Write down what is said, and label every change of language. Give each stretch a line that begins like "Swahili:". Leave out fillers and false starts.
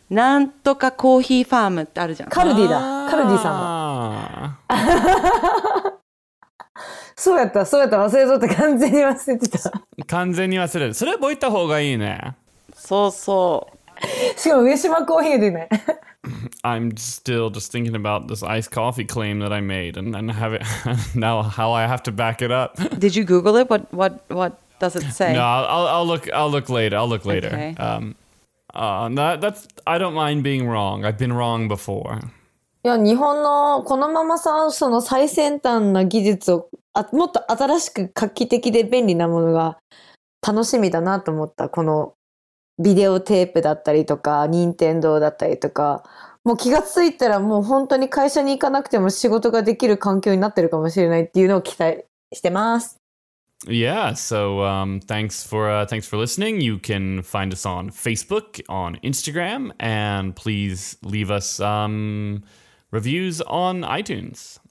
Japanese: なんとかコーヒーファームってあるじゃん。カルディだ。カルディさん。そうやった、そうやった。忘れとった。完全に忘れてた。完全に忘れる。それ覚えた方がいいね。そうそう。しかも上島コーヒーでね。
English: I'm still just thinking about this iced coffee claim that I made and then have it now how I have to back it up. Did you Google it? What does it say? No, I'll look later. I'll look later. Okay. That's I don't mind being wrong. I've been wrong before.
Japanese: いや、日本のこのままさ、その最先端な技術をあもっと新しく画期的で便利なものが楽しみだなと思った。このビデオテープだったりとか、任天堂だったりとか、もう気がついたらもう本当に会社に行かなくても仕事ができる環境になってるかもしれないっていうのを期待してます。
English: Yeah, so thanks for listening. You can find us on Facebook, on Instagram, and please leave us reviews on iTunes.